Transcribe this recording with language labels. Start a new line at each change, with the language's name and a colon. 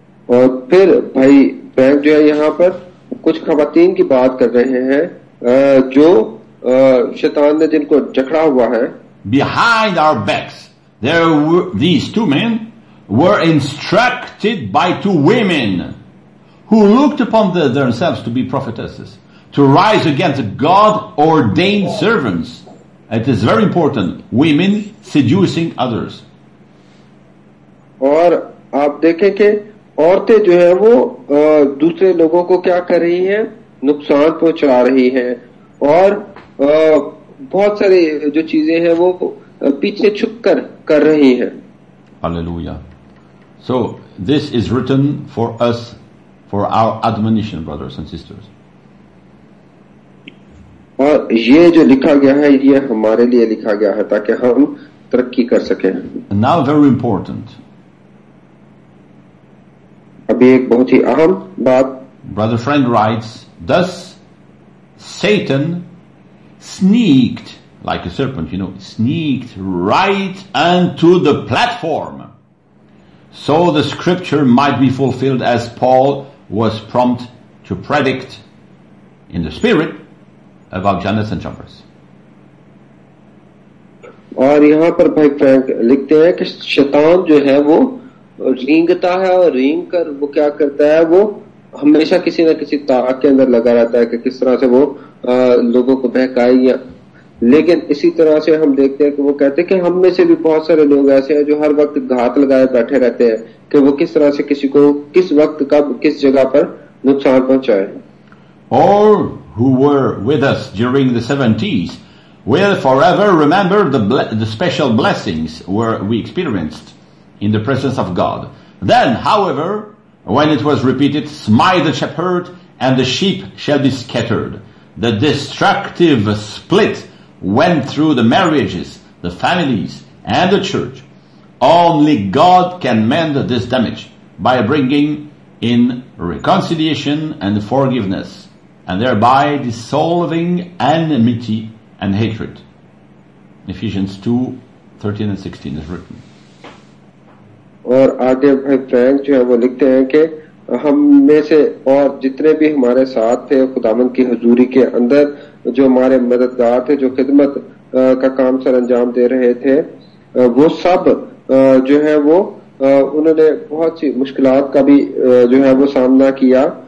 Hindi: और फिर भाई फ्रैंक जो है यहाँ पर कुछ खवातीन की बात कर रहे हैं जो शैतान ने जिनको जकड़ा हुआ है.
English: Behind our backs, there were these two men were instructed by two women who looked upon themselves to be prophetesses, to rise against God-ordained servants. It is very important. Women seducing others.
Hindi: और आप देखें कि औरतें जो हैं वो दूसरे लोगों को क्या कर रही हैं, नुकसान पहुंचा रही हैं और बहुत सारे जो चीजें हैं वो पीछे छुपकर कर रही हैं.
English: Hallelujah. So this is written for us, for our admonition, brothers and sisters.
Hindi: और ये जो लिखा गया है ये हमारे लिए लिखा गया है ताकि हम तरक्की कर सके.
English: Now very important.
Hindi: अभी एक बहुत ही अहम बात.
English: Brother Frank writes, thus Satan sneaked like a serpent, you know, sneaked right unto the platform, so the scripture might be fulfilled as Paul was prompt to predict in the spirit about Jannas and Jambres.
Hindi: और यहाँ पर भाई Frank लिखते हैं कि शैतान जो है वो रींगता है और रींग कर वो क्या करता है, वो हमेशा किसी न किसी ताक के अंदर लगा रहता है कि किस तरह से वो लोगों को बहकाए. लेकिन इसी तरह से हम देखते हैं कि वो कहते हैं कि हम में से भी बहुत सारे लोग ऐसे हैं जो हर वक्त घात लगाए बैठे रहते हैं कि वो किस तरह से किसी को किस वक्त कब किस जगह पर नुकसान पहुंचाए.
English: All who were with us during the 70s will forever remember the special blessings were we experienced in the presence of God. Then, however, when it was repeated, smite the shepherd and the sheep shall be scattered. The destructive split went through the marriages, the families, and the church. Only God can mend this damage by bringing in reconciliation and forgiveness, and thereby dissolving enmity and hatred. Ephesians 2:13 and 16 is written.
Hindi: और आगे भाई Frank जो है वो लिखते हैं कि हम में से और जितने भी हमारे साथ थे खुदावंद की हजूरी के अंदर, जो हमारे मददगार थे, जो खिदमत का काम सर अंजाम दे रहे थे, वो सब जो है वो उन्होंने बहुत सी मुश्किलात का भी जो है वो सामना किया.